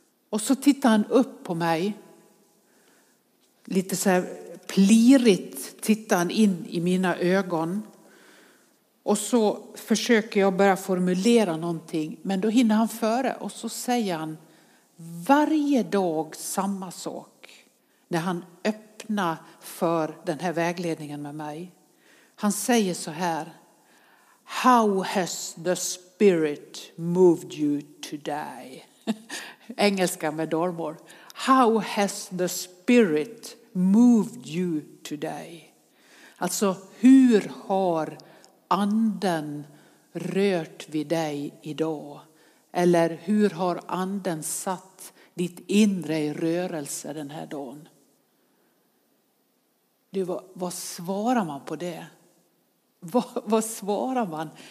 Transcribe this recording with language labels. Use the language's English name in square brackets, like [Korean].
[Swedish] Och så tittar han upp på mig. Lite så här plirigt tittar han in i mina ögon. Och så försöker jag börja formulera någonting. Men då hinner han före och så säger han varje dag samma sak. När han öppnar för den här vägledningen med mig. Han säger så här. [English] How has the spirit moved you today? [Swedish] Engelska med dalmål. [English] How has the spirit moved you today? [Swedish] Alltså hur har anden rört vid dig idag? Eller hur har anden satt ditt inre i rörelse den här dagen? Vad svarar man på det? Vad svarar man?